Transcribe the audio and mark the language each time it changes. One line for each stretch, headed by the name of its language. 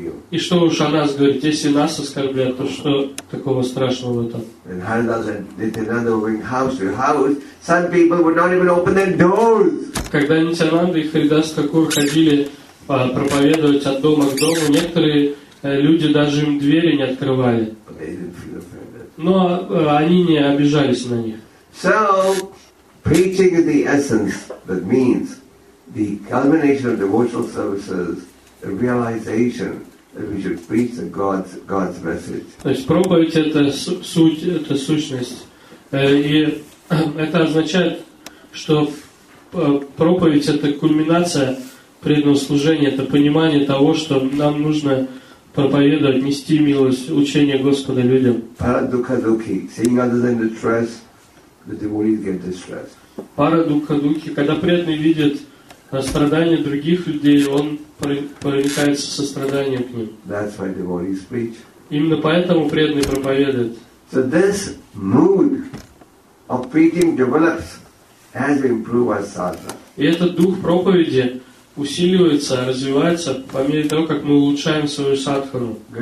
Russian: И что уж о нас говорит, если нас оскорбляют, то что такого страшного в этом?
English: When Haridas and Nityananda were going house to house, some people would not even open their doors.
Russian: Когда Нитянанда и Харидас Такур ходили проповедовать от дома к дому, некоторые люди даже им двери не открывали. Но они не обижались на них.
English: So, preaching is the essence that means the culmination of devotional services, the realization that we should preach the God's message.
Russian: То есть проповедь — это суть, это сущность. И это означает, что проповедь — это кульминация преданного служения, это понимание того, что нам нужно проповедовать, нести милость, учение Господа людям.
Sanskrit: Парадукха-духи.
English: Seeing others in distress, the devotees get distressed.
Sanskrit: Парадукха-духи.
Russian: Когда преданный видит страдания других людей, он проникается состраданием к ним.
English: That's why devotees preach.
Russian: Именно поэтому преданный проповедует.
English: So this mood of preaching develops as we improve our sadhana.
Russian: И этот дух проповеди усиливается, развивается по мере того, как мы улучшаем свою садхану.